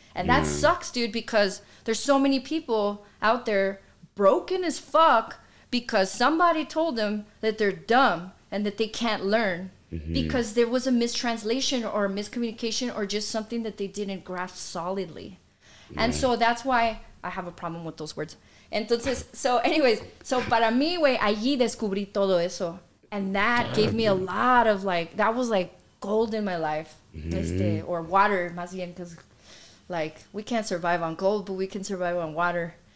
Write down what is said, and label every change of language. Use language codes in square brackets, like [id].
[en] And that sucks, dude, because there's so many people out there broken as fuck because somebody told them that they're dumb and that they can't learn because there was a mistranslation or a miscommunication or just something that they didn't grasp solidly. Yeah. And so that's why I have a problem with those words. [es] Entonces, para mí, güey, allí descubrí todo eso. [en] And that gave me a lot of, like, that was, like, gold in my life. Mm-hmm. Or water, [es] más bien, [en] because, like, we can't survive on gold, but we can survive on water.